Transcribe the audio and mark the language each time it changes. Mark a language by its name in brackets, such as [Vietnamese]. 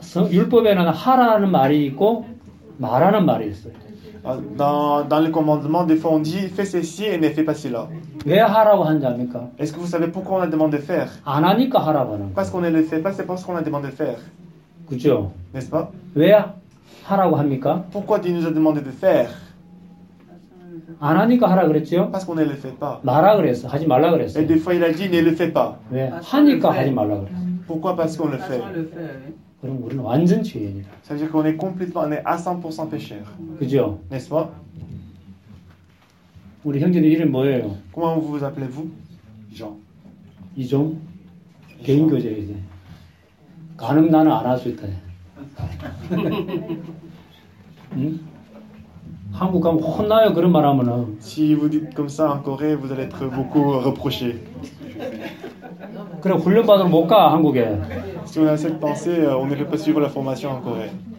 [Korean] 율법에는 하라는 말이 있고 말하는 말이 있어요. [French] Dans le commandement, des fois on dit fais ceci et ne fais pas cela. [Korean] 왜 하라고 하는지 아닙니까? [French] Est-ce que vous savez pourquoi on a demandé de faire? [Korean] 안 하니까 하라고 하는. [French] Parce qu'on ne le fait pas, c'est parce qu'on a demandé de faire. [Korean] 그죠? [French] N'est-ce pas? [Korean] 왜 하라고 합니까? [French] Pourquoi Dieu nous a demandé de faire? [Korean] 안 하니까 하라 그랬지요? [French] Parce qu'on ne le fait pas. [Korean] 말라 그랬어. 하지 말라 그랬어. [French] Et des fois il a dit ne le fais pas. [Korean] 왜? 하니까 하지 말라 그랬어. [French] Pourquoi? Parce qu'on le fait. [Korean] 그럼 우리는 완전 죄인이다. [French] Ça veut dire qu'on est complètement, on est à 100% pécheur. [Korean] 그죠? [French] N'est-ce pas? [Korean] 우리 형제님 이름 뭐예요? [French] Comment vous appelez-vous? Jean. [Korean] 이종? 개인 교제 이제. 가능 나는 안 할 수 있다. 응? 한국 가면 혼나요 그런 말 하면은. [French] Si vous dites comme ça en Corée, vous allez être beaucoup reproché. [Korean] 그럼 훈련 받으러 못 가 한국에. [French] Si on a cette pensée, on ne peut pas suivre la formation en Corée.